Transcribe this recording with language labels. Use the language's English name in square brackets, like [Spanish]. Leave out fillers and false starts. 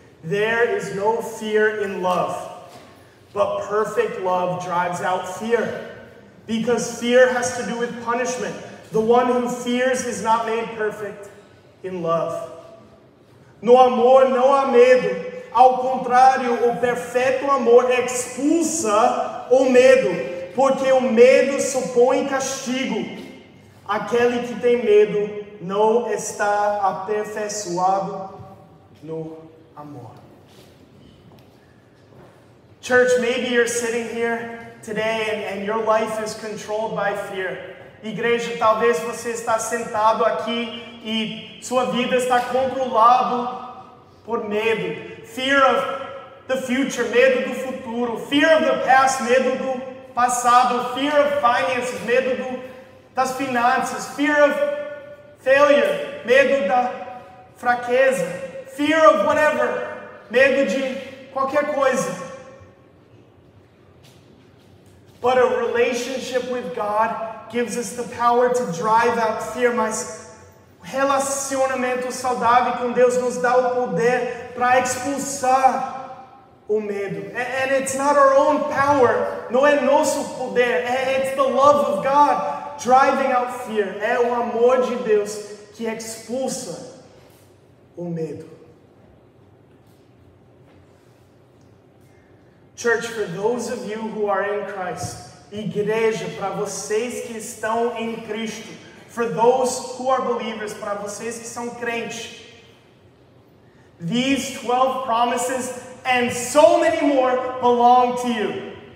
[English] There is no fear in love, but perfect love drives out fear, because fear has to do with punishment. The one who fears is not made perfect in love. [Portuguese] No amor não há medo. Ao contrário, o perfeito amor expulsa o medo, porque o medo supõe castigo. Aquele que tem medo não está aperfeiçoado no amor. [English] Church, maybe you're sitting here today and your life is controlled by fear. [Portuguese] Igreja, talvez você está sentado aqui e sua vida está controlada por medo. [English] Fear of the future, [Portuguese] medo do futuro. [English] Fear of the past, [Portuguese] medo do passado. [English] Fear of finances, [Portuguese] medo das finanças. [English] Fear of failure, [Portuguese] medo da fraqueza. [English] Fear of whatever, [Portuguese] medo de qualquer coisa. [English] But a relationship with God gives us the power to drive out fear. [Portuguese] Mas relacionamento saudável com Deus nos dá o poder para expulsar o medo. [English] And it's not our own power. [Portuguese] Não é nosso poder. [English] It's the love of God driving out fear. [Portuguese] É o amor de Deus que expulsa o medo. [English] Church, for those of you who are in Christ, [Portuguese] igreja, para vocês que estão em Cristo, [English] for those who are believers, [Portuguese] para vocês que são crentes, [English] these 12 promises and so many more belong to you.